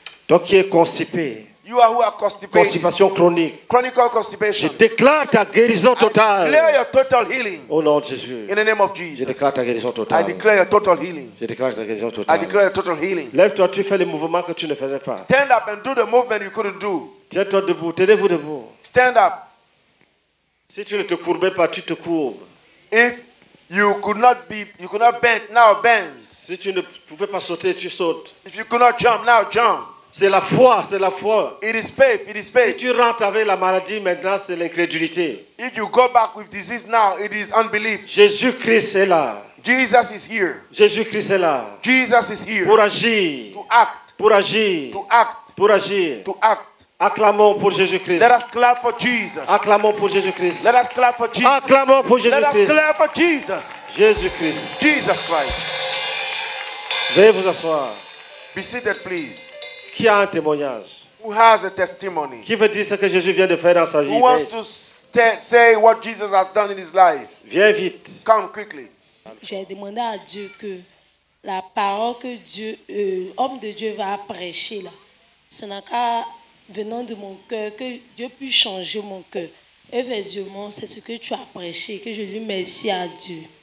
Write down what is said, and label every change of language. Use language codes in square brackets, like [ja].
[fr] Toi qui es constipé. [en] You are who are constipated. [fr] Constipation chronique. [en] Chronical constipation. [fr] Je déclare ta guérison totale. [en] I declare your total healing. [fr] Au nom de Jésus. [en] In the name of Jesus. [fr] Je déclare ta guérison totale. [en] I declare your total healing. [fr] Je déclare ta guérison totale. [en] I declare your total healing. [fr] Lève-toi, tu fais le mouvement que tu ne faisais pas. [en] Stand up and do the movement you couldn't do. [fr] Tiens-toi debout, tenez-vous debout. [en] Stand up. [fr] Si tu ne te courbais pas, tu te courbes. [en] If you could not be, you could not bend, now bend. [fr] Si tu ne pouvais pas sauter, tu sautes. [en] If you could not jump, now jump. [fr] C'est la foi, c'est la foi. [en] It is faith, it is faith. [fr] Si tu rentres avec la maladie maintenant, c'est l'incrédulité. [en] If you go back with disease now, it is unbelief. [fr] Jésus-Christ est là. [en] Jesus is here. [fr] Jésus-Christ est là. [en] Jesus is here. [fr] Pour agir. [en] To act. [fr] Pour agir. [en] To act. [fr] Pour agir. [en] To act. [fr] Acclamons pour Jésus-Christ. [en] Let us clap for Jesus. [fr] Acclamons pour Jésus-Christ. [en] Let us clap for Jesus. [fr] Acclamons pour Jésus-Christ. [en] Let us clap for Jesus. [fr] Jésus-Christ. [en] Jesus Christ. [fr] Veuillez vous asseoir. [en] Be seated, please. [fr] Qui a un témoignage? [en] Who has a testimony? [fr] Qui veut dire ce que Jésus vient de faire dans sa vie? [en] Who wants to say what Jesus has done in his life? [fr] Viens vite. [en] Come quickly. [fr] J'ai demandé à Dieu que la parole que Dieu, homme de Dieu va prêcher là, ce n'est qu'à venant de mon cœur que Dieu puisse changer mon cœur. Effectivement, c'est ce que tu as prêché que je lui remercie à Dieu.